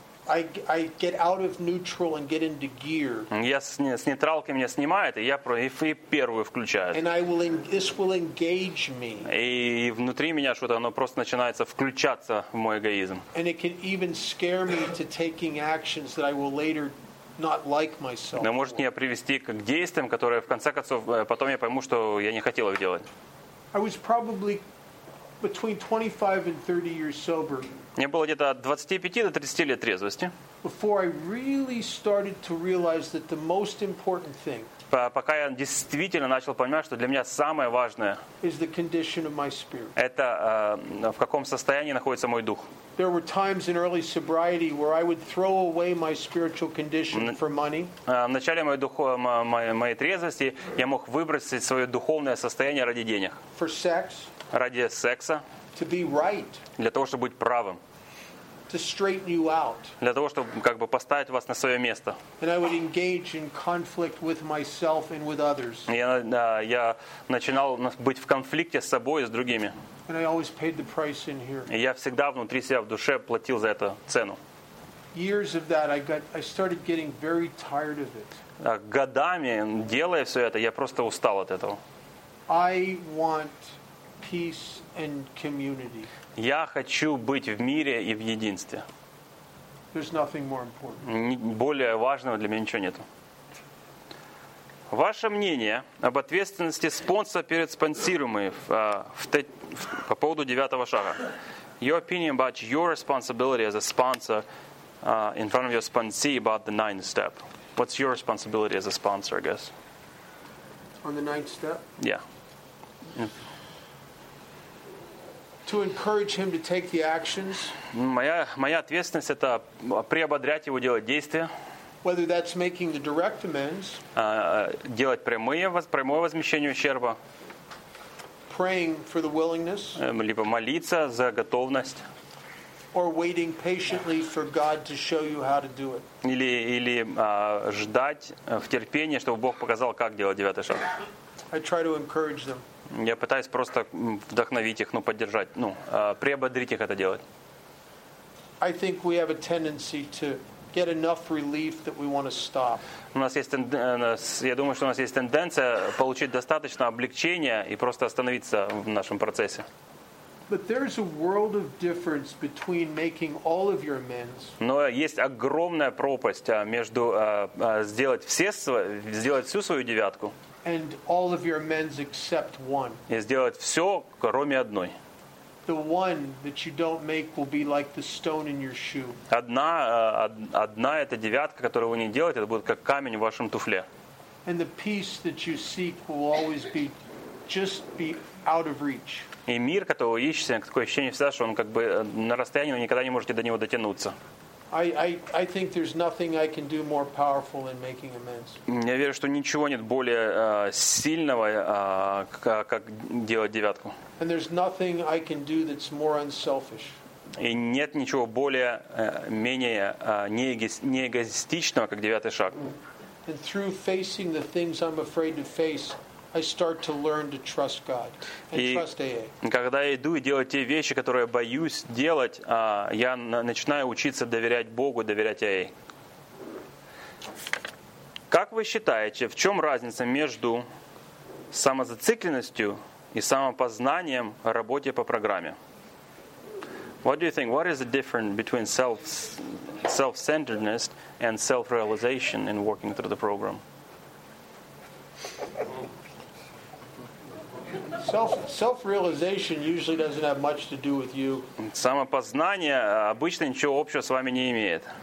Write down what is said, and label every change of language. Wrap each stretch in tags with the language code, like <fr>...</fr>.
<en>I get out of neutral and get into gear.</en> <ru>Я с нейтралки меня снимает, и я и первую включаю.</ru> <en>And this will engage me.</en> <ru>И внутри меня что-то, оно просто начинается включаться в мой эгоизм.</ru> <en>And it can even scare me to taking actions that I will later not like myself.</en> <ru>Но может меня привести к действиям, которые в конце концов потом я пойму, что я не хотел их делать.</ru> <en>I was probably between 25 and 30 years sober.</en> <ru>Мне было где-то от 25 до 30 лет трезвости.</ru> <en>Before I really started to realize that the most important thing,</en> <ru>пока я действительно начал понимать, что для меня самое важное,</ru> <en>is the condition of my spirit.</en> <ru>Это в каком состоянии находится мой дух.</ru> <en>There were times in early sobriety where I would throw away my spiritual condition for money.</en> <ru>В начале моей трезвости я мог выбросить свое духовное состояние ради денег.</ru> <en>For sex.</en> <ru>Ради секса.</ru> <en>To be right.</en> <ru>Для того, чтобы быть правым.</ru> <en>To straighten you out.</en> <ru>Для того, чтобы как бы поставить вас на свое место.</ru> <en>And I would engage in conflict with myself and with others.</en> <ru>Я начинал быть в конфликте с собой и с другими.</ru> <en>And I always paid the price in here.</en> <ru>И я всегда внутри себя, в душе платил за это цену.</ru> <en>Years of that, I started getting very tired of it.</en> <ru>Годами делая все это, я просто устал от этого.</ru> <en>I want peace and community.</en> <ru>Я хочу быть в мире и в единстве.</ru> <en>There's nothing more important.</en> <ru>Более важного для меня ничего нету. Ваше мнение об ответственности спонсора перед спонсируемым по поводу девятого шага.</ru> <en>Your opinion about your responsibility as a sponsor in front of your sponsee about the ninth step. What's your responsibility as a sponsor, I guess? On the ninth step? Yeah. To encourage him to take the actions.</en> <ru>Моя ответственность — это приободрять его делать действия.</ru> <en>Whether that's making the direct amends.</en> <ru>Делать прямое возмещение ущерба.</ru> <en>Praying for the willingness.</en> <ru>Либо молиться за готовность.</ru> <en>Or waiting patiently for God to show you how to do it.</en> <ru>Или ждать в терпении, чтобы Бог показал, как делать девятый шаг.</ru> <en>I try to encourage them.</en> <ru>Я пытаюсь просто вдохновить их, поддержать, приободрить их это делать.</ru> <en>I think we have a tendency to get enough relief that we want to stop.</en> <ru>Я думаю, что у нас есть тенденция получить достаточно облегчения и просто остановиться в нашем процессе.</ru> <en>But there's a world of difference between making all of your amends.</en> <ru>Но есть огромная пропасть между сделать всю свою девятку.</ru> <en>And all of your amends except one.</en> <ru>И сделать все, кроме одной.</ru> <en>The one that you don't make will be like the stone in your shoe.</en> <ru>Одна эта девятка, которую вы не делаете, это будет как камень в вашем туфле.</ru> <en>And the peace that you seek will always be just be out of reach.</en> <ru>И мир, которого вы ищете, такое ощущение всегда, что он как бы на расстоянии, но никогда не можете до него дотянуться.</ru> <en>I think there's nothing I can do more powerful than making amends.</en> <ru>Я верю, что ничего нет более сильного, как делать девятку.</ru> <en>And there's nothing I can do that's more unselfish.</en> <ru>И нет ничего более менее не эгоистичного, как девятый шаг.</ru> <en>And through facing the things I'm afraid to face, I start to learn to trust God and trust AA.</en> <ru>Когда я иду и делаю те вещи, которые боюсь делать, я начинаю учиться доверять Богу, доверять AA. Как вы считаете, в чем разница между самозацикленностью и самопознанием в работе по программе?</ru> <en>What do you think? What is the difference between self-centeredness and self-realization in working through the program? Self-realization usually doesn't have much to do with you.</en> <ru>Самопознание обычно ничего общего с вами не имеет.</ru>